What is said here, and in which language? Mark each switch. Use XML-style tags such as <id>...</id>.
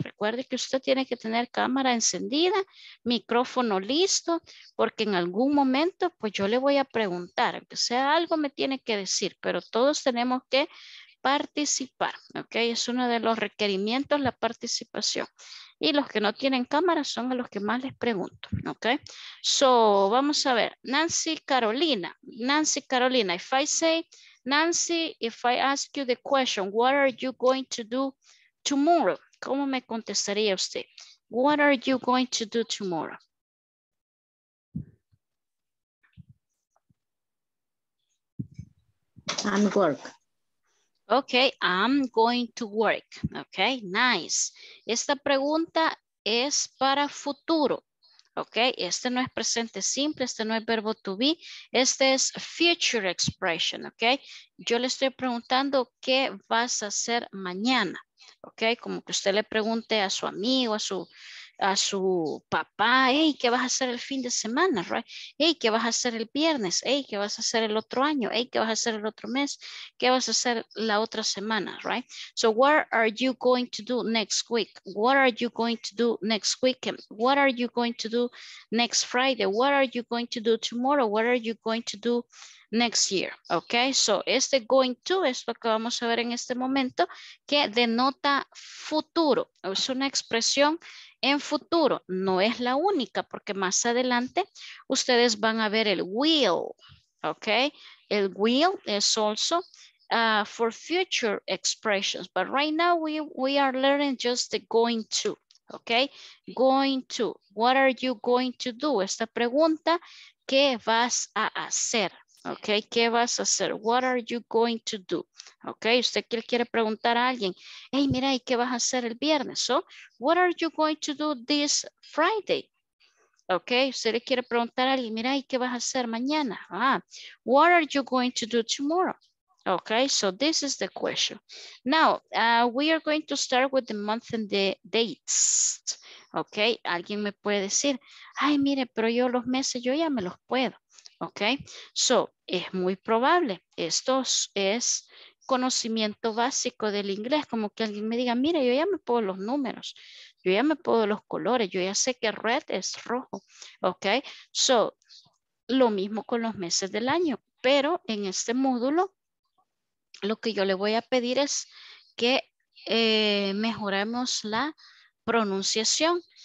<es>Recuerde que usted tiene que tener cámara encendida, micrófono listo, porque en algún momento, pues yo le voy a preguntar, aunque sea algo me tiene que decir, pero todos tenemos que participar, ¿ok? Es uno de los requerimientos, la participación. Y los que no tienen cámara son a los que más les pregunto, ¿ok?</es> <en>So,</en> <es>vamos a ver,</es> <en>Nancy Carolina, if I say, Nancy, if I ask you the question, what are you going to do tomorrow?</en> <es>¿Cómo me contestaría usted?</es> <en>What are you going to do tomorrow? I'm work. Okay, I'm going to work. Okay, nice.</en> <es>Esta pregunta es para futuro. Okay, este no es presente simple, este no es verbo to be. Este es future expression. Okay, yo le estoy preguntando qué vas a hacer mañana. Okay, como que usted le pregunte a su amigo, a su papá, hey, ¿qué vas a hacer el fin de semana? Right? Hey, ¿qué vas a hacer el viernes? Hey, ¿qué vas a hacer el otro año? Hey, ¿qué vas a hacer el otro mes? ¿Qué vas a hacer la otra semana? Right?</es> <en>So, what are you going to do next week? What are you going to do next weekend? What are you going to do next Friday? What are you going to do tomorrow? What are you going to do next year?</en> <es>Okay, so este going to es lo que vamos a ver en este momento, que denota futuro. Es una expresión en futuro, no es la única, porque más adelante ustedes van a ver el will, ¿ok? El will es</es> <en>also for future expressions, but right now we are learning just the going to, ¿ok? Going to, what are you going to do?</en> <es>Esta pregunta, ¿qué vas a hacer? ¿Ok? ¿Qué vas a hacer?</es> <en>What are you going to do? ¿Ok?</en> <es>Usted quiere preguntar a alguien, hey, mira, ¿y qué vas a hacer el viernes?</es> <en>So, what are you going to do this Friday? ¿Ok?</en> <es>Usted le quiere preguntar a alguien, mira, ¿y qué vas a hacer mañana?</es> <en>Ah, what are you going to do tomorrow? ¿Ok? So, this is the question. Now, we are going to start with the month and the dates. ¿Ok?</en> <es>Alguien me puede decir, ay, mire, pero yo los meses, yo ya me los puedo. Ok, so es muy probable, esto es conocimiento básico del inglés, como que alguien me diga, mira, yo ya me puedo los números, yo ya me puedo los colores, yo ya sé que red es rojo, ok, so lo mismo con los meses del año, pero en este módulo lo que yo le voy a pedir es que mejoremos la pronunciación.</es>